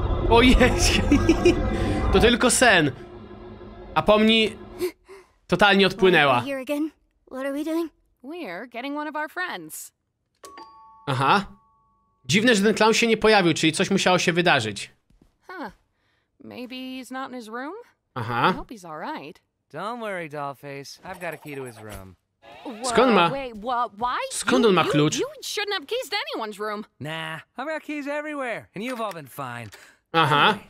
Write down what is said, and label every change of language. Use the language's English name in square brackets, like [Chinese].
[Polish] Ojej, to tylko sen. A pomni totalnie odpłynęła. [English] What are we doing? We're getting one of our friends. Aha. [Polish] Dziwne, że ten klaun się nie pojawił, czyli coś musiało się wydarzyć. Huh. [English] Maybe he's not in his room? Aha. I hope he's all right. Don't worry, dollface. I've got a key to his room. [Polish] Skąd ma? [English] Wait, why? [Polish] Skąd on ma klucz? [English] You shouldn't have keys to anyone's room. Nah. I've got keys everywhere, and you've all been fine. Aha.